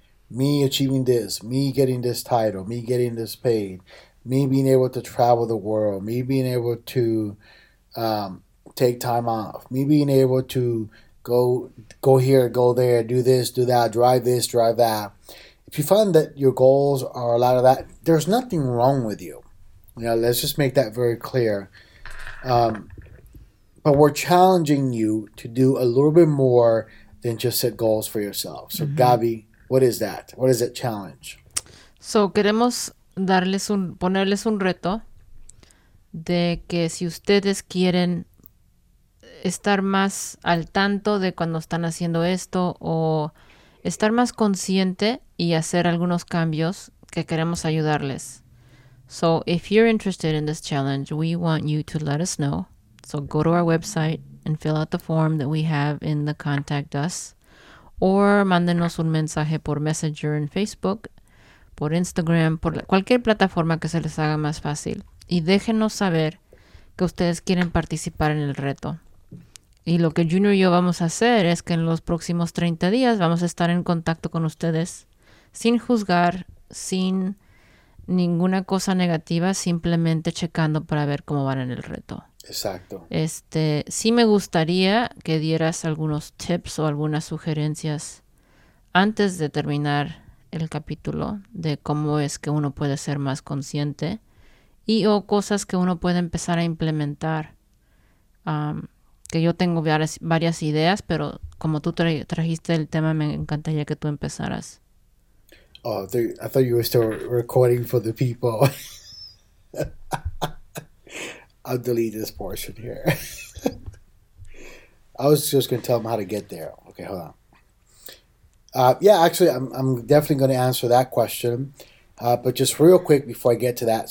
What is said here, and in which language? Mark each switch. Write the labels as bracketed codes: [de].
[en] Me achieving this, me getting this title, me getting this paid, me being able to travel the world, me being able to take time off, me being able to go here, go there, do this, do that, drive this, drive that. If you find that your goals are a lot of that, there's nothing wrong with you. Let's just make that very clear. But we're challenging you to do a little bit more than just set goals for yourself. So, Gabby, what is that? What is that challenge? [es] So queremos darles un, ponerles un reto de que si ustedes quieren estar más al tanto de cuando están haciendo esto o estar más consciente y hacer algunos cambios que queremos ayudarles. [en] So if you're interested in this challenge, we want you to let us know. So go to our website and fill out the form that we have in the contact us. [es] O mándenos un mensaje por Messenger en Facebook, por Instagram, por cualquier plataforma que se les haga más fácil. Y déjenos saber que ustedes quieren participar en el reto. Y lo que Junior y yo vamos a hacer es que en los próximos 30 días vamos a estar en contacto con ustedes sin juzgar, sin ninguna cosa negativa, simplemente checando para ver cómo van en el reto. Exacto. Sí me gustaría que dieras algunos tips o algunas sugerencias antes de terminar el capítulo de cómo es que uno puede ser más consciente y o cosas que uno puede empezar a implementar. Que yo tengo varias ideas, pero como tú trajiste el tema, me encantaría que tú empezaras. [en] Oh, I thought you were still recording for the people. I'll delete this portion here. I was just going to tell them how to get there. Okay, hold on. Actually, I'm definitely going to answer that question. But just real quick before I get to that.